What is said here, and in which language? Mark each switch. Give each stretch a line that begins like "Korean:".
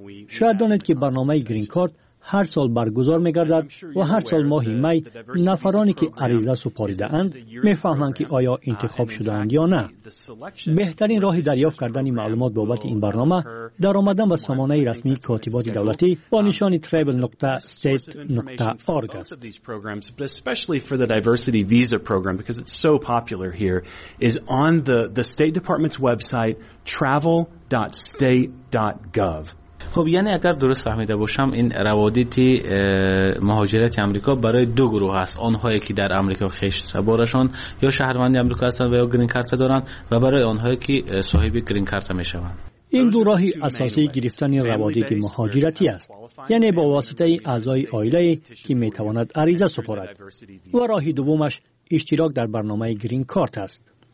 Persian: شاید دانید که برنامه گرین کارت هر سال برگزار می‌گردد و هر سال ماه می نفرانی که عریضه سپاریده اند می فهمند که آیا انتخاب شده اند یا نه. بهترین راه دریافت کردن معلومات بابت این برنامه در آمدن به سامانه رسمی کاتبات دولتی با نشان travel.state.org است.
English: Especially for the diversity visa program because it's so popular here is on the State Department's website travel.state.gov.
Persian: خب یعنی اگر درست فهمیده باشم این روادید مهاجرت آمریکا برای دو گروه است، آنهایی که در آمریکا خشت بارشان یا شهروندی آمریکا هستند و یا گرین کارت دارند و برای آنهایی که صاحب گرین کارت میشوند. این دو راه اساسی گرفتن روادید مهاجرتی است، یعنی با واسطه اعضای آیله که میتواند عریضه سپارد، و راه دومش اشتراک در برنامه گرین کارت است.